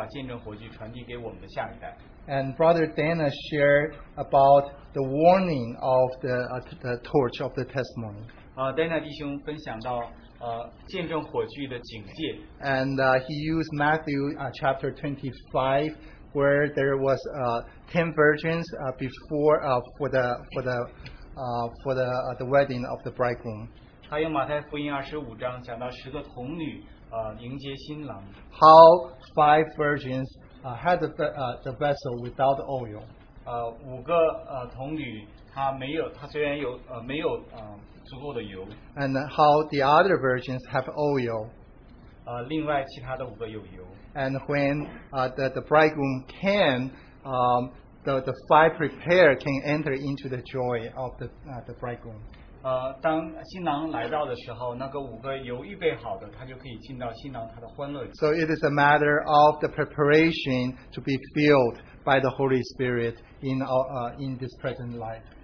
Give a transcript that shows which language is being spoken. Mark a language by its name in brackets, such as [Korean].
[Chinese] 他也分享他如何感觉我们应该如何把见证火炬传递给我们的下一代。 [English] And Brother Dana shared about the warning of the torch of the testimony. [Chinese] Dana弟兄分享到见证火炬的警戒。 [English] And he used Matthew chapter 25, where there was 10 virgins before for the wedding of the bridegroom. [Chinese] 他用马太福音25章讲到10个童女迎接新郎。 [English] How five virgins had the vessel without oil. [Chinese] 五个童女，她虽然没有足够的油。 [English] And how the other virgins have oil. [Chinese] 另外其他的五个有油。 [English] And when the bridegroom came, the five prepared can enter into the joy of the bridegroom. [Chinese] 当新郎来到的时候，那个五个油预备好的，他就可以进到新郎他的欢乐。So [English] it is a matter of the preparation to be filled by the Holy Spirit in this present life.